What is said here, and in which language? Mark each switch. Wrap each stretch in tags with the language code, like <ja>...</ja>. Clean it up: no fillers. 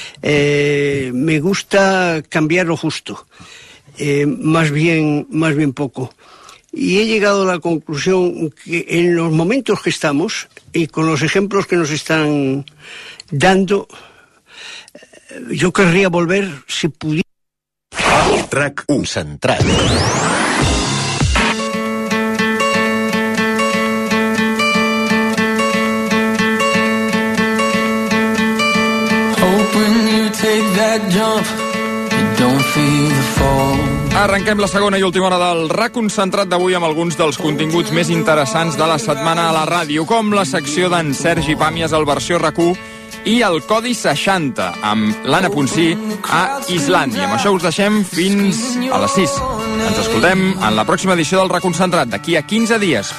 <es>Me gusta cambiar lo justo, más bien poco. Y he llegado a la conclusión que en los momentos que estamos y con los ejemplos que nos están dando, yo querría volver si pudiera.</es> <en>Track 1 central. Hoping you take that jump, you don't feel the fall.</en> <ca>Arrenquem la segona i última hora del RAC concentrat d'avui amb alguns dels continguts més interessants de la setmana a la ràdio, com la secció d'en Sergi Pàmies al Versió RAC1 i el Codi 60 amb l'Anna Ponsí a Islàndia. Amb això us deixem fins a les 6. Ens escoltem en la pròxima edició del RAC concentrat d'aquí a 15 dies.</ca>